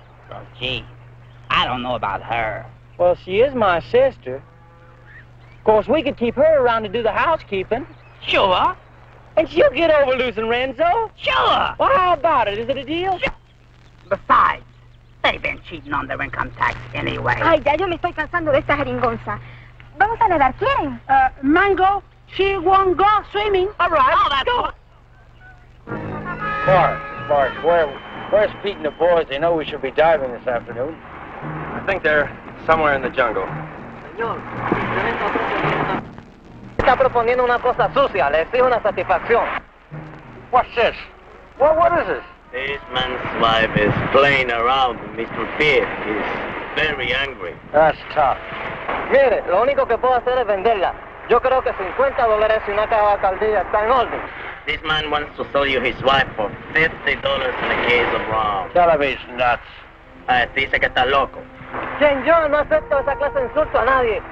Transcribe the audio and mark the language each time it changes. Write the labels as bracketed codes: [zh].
[en] Well, gee, I don't know about her. Well, she is my sister. Of course, we could keep her around to do the housekeeping. Sure. And she'll get over losing Renzo. Sure. Well, how about it? Is it a deal? Sure. Besides, they've been cheating on their income tax anyway. [es] Ay, ya yo me estoy cansando de esta jeringonza. Vamos a nadar, ¿quieren? [en] Mango, she won't go swimming. All right. Oh, that's go. Mark, where's Pete and the boys? They know we should be diving this afternoon. I think they're somewhere in the jungle. [es] Señor, está proponiendo una cosa sucia. Le exijo una satisfacción. [en] What's this? What is this? This man's wife is playing around. Mr. Pete is very angry. That's tough. [es] Mire, lo único que puedo hacer es venderla. Yo creo que $50 y una caja caldilla está en orden. [en] This man wants to sell you his wife for $50 in a case of rum. Tell him he's nuts. [es] Dice que está loco. Quien yo no acepto esa clase de insulto a nadie.